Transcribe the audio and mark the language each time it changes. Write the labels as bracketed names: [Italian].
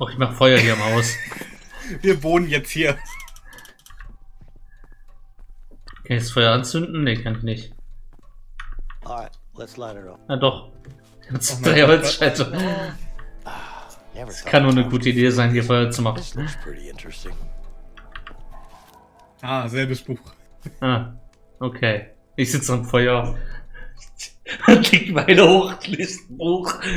[German] Oh, ich mach Feuer hier im Haus. Wir wohnen jetzt hier. Kann ich das Feuer anzünden? Nee, kann ich nicht. [English] Alright, let's light it up. [German] Na doch. Jetzt oh drei Holzscheite. Es kann nur eine gute Idee sein, hier Feuer zu machen. Das ist [English] pretty interesting. [German] Ah, selbes Buch. Ah, okay. Ich sitze am Feuer. Und leg meine hoch, lese ein Buch.